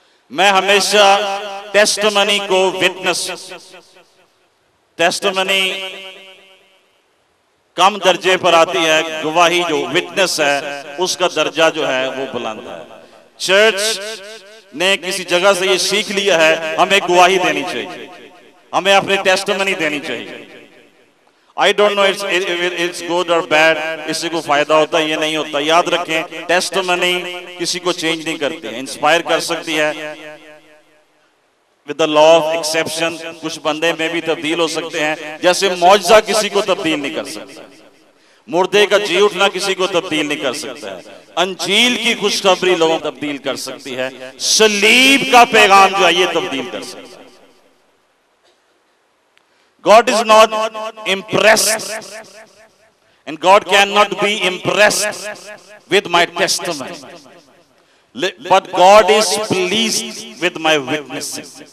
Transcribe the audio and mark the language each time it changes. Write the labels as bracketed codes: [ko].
[ur] میں ہمیشہ ٹیسٹمنی کو وٹنس, ٹیسٹمنی کم درجے پر آتی ہے, گواہی جو وٹنس ہے اس کا درجہ جو ہے وہ بلند ہے. چرچ نے کسی جگہ سے یہ سیکھ لیا ہے ہمیں گواہی دینی چاہیے, ہمیں اپنی ٹیسٹمنی دینی چاہیے. [en] I don't know it's good or bad. [ur] اس سے کوئی فائدہ ہوتا ہے یہ نہیں ہوتا. یاد رکھیں ٹیسٹمنی کسی کو چینج نہیں کرتی, انسپائر کر سکتی ہے. [en] With the law of exception [ur] کچھ بندے میں بھی تبدیل ہو سکتے ہیں, جیسے معجزہ کسی کو تبدیل نہیں کر سکتا, مردے کا جی اٹھنا کسی کو تبدیل نہیں کر سکتا ہے, انجیل کی خوشخبری لوگوں تبدیل کر سکتی ہے, صلیب کا پیغام جو ہے یہ تبدیل کر سکتا ہے. [en] God is not impressed and God cannot be impressed with my testimony, but God is pleased with my witnessing.